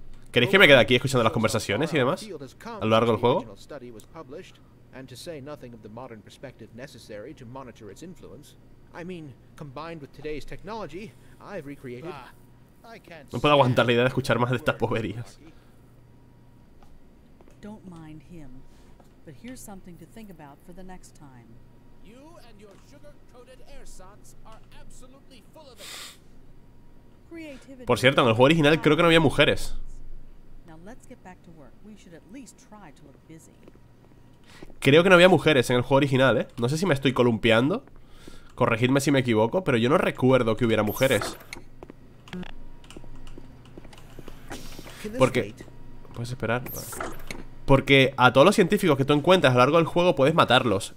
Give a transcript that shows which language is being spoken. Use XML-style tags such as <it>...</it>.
<es>¿Queréis que me quede aquí escuchando las conversaciones y demás a lo largo del juego?</es> <en>Study was published, and to say nothing of the modern perspective necessary to monitor its influence. I mean, combined with today's technology, I've recreated.</en> <es>No puedo aguantar la idea de escuchar más de estas boberías.</es> <en>Don't mind him, but here's something to think about for the next time. You and your sugar-coated ersatz are absolutely full of it. Creativity.</en> <es>Por cierto, en el juego original creo que no había mujeres.</es> <en>Now let's get back to work. We should at least try to look busy.</en> <es>Creo que no había mujeres en el juego original, ¿eh? No sé si me estoy columpiando. Corregidme si me equivoco, pero yo no recuerdo que hubiera mujeres. Porque puedes esperar. Porque a todos los científicos que tú encuentras a lo largo del juego puedes matarlos.</es>